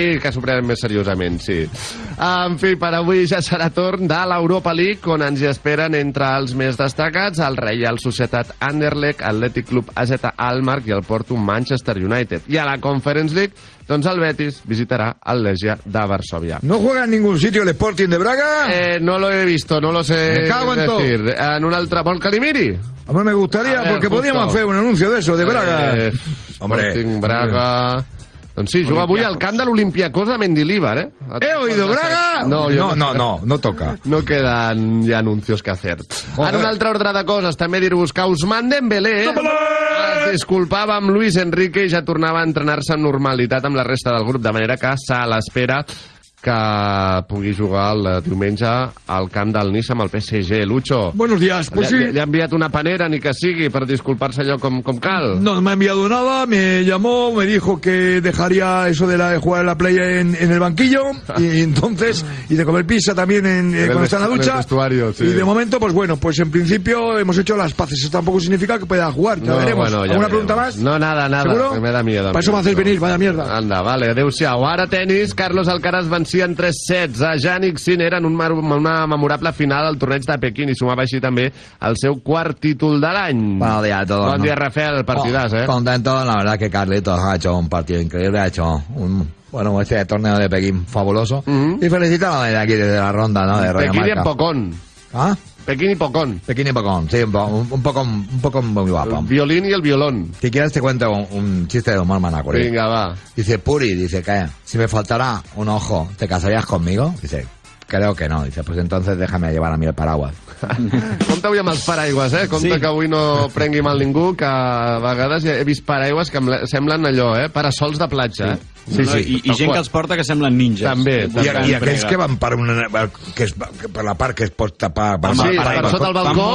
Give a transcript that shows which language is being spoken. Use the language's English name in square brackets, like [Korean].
[Catalan] Sí, que superen més seriosament, sí. En fi, per avui ja serà torn de l'Europa League, on ens hi esperen, entre els més destacats, el Real Societat Anderlecht, Athletic Club AZ Almark i el Porto Manchester United. I a la Conference League, doncs el Betis visitarà el Legia de Varsovia. [Spanish] ¿No juega en ningún sitio el Sporting de Braga? No lo he visto, no lo sé. Me cago en todo. [Catalan] En un altre, vol que li miri? [Spanish] Home, me gustaría, ver, porque justo. Podríamos hacer un anuncio de eso, de Braga. [Catalan] Hombre. Sporting Braga... Doncs sí, juga avui al camp de l'Olimpiakos de Mendilibar, eh? [Spanish] He oído, Braga! No toca. No queden ja anuncios que hacer. [Catalan] Joder. En un altre ordre de coses, també dir-vos que Ousmane Dembélé... Disculpava amb Luis Enrique i ja tornava a entrenar-se amb normalitat amb la resta del grup, de manera que s'ha a l'espera que pugui jugar el diumenge al camp del Nice amb el PSG. Lucho. [Spanish] Buenos días. Pues sí. [Catalan] Li ha enviat una panera, ni que sigui, per disculpar-se allò com cal. No, no m'ha enviat nada. [Spanish] Me llamó, me dijo que dejaría eso de jugar a la playa en el banquillo y entonces y de comer pizza también cuando está en la ducha. En el vestuario, sí. Y de momento, pues bueno, pues en principio hemos hecho las paces. Eso tampoco significa que pueda jugar. Ya no, veremos. Bueno, ya ¿alguna pregunta más? No, nada, nada. ¿Seguro? Me da miedo. Para eso me hacéis venir, vaya mierda. Anda, vale. [Catalan] Adeu-siau. Ara tenis, Carlos Alcaraz Vancí en 3-7 a Jannik Sinner en una memorable final al torneig de Pequín i sumava així també el seu quart títol de l'any. Bon dia a tots. Bon dia, Rafael, partidàs, eh? [Spanish] Contento, la verdad que Carlitos ha hecho un partido increíble, ha hecho un... Bueno, este torneo de Pequín, fabuloso. Uh-huh. Y felicitado de aquí, desde la ronda, ¿no? De Pequín y en Pocón. ¿Ah? Pequín y Pocón. Pequín y Pocón, sí, un poco muy guapo. El violín y el violón. Si quieres te cuento un chiste de humor manacorí. Venga, va. Dice Puri, dice que si me faltara un ojo, ¿te casarías conmigo? Dice, creo que no. Dice, pues entonces déjame llevar a mí el paraguas. [Catalan] Compte avui amb els paraigües, eh? Compte sí. que avui no prengui mal ningú, que a vegades he vist paraigües que semblen allò, eh? Parasols de platja, sí. Sí, sí. I gent que els porta que semblen ninjas. També. I aquells que van per una, que és, que per la part que es pot tapar per, sí, per sota el balcó,